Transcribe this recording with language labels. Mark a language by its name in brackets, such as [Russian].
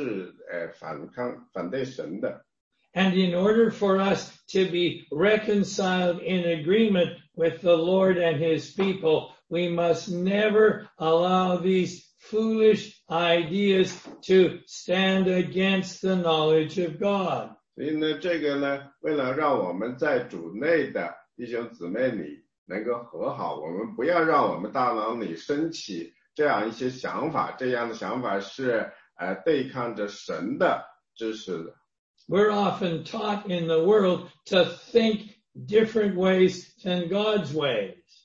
[Chinese] 所以呢,很多人他们大脑里会出现一些想法,出现一些真的,这些呢,想法还真的都是反抗,反对神的。 [English] And in order for us to be reconciled in agreement with the Lord and his people, we must never allow these foolish ideas to stand against the knowledge of God. [Chinese] 所以呢,这个呢,为了让我们在主内的弟兄姊妹里能够和好,我们不要让我们大脑里升起这样一些想法,这样的想法是对抗着神的知识的。 [English] We're often taught in the world to think different ways than God's ways.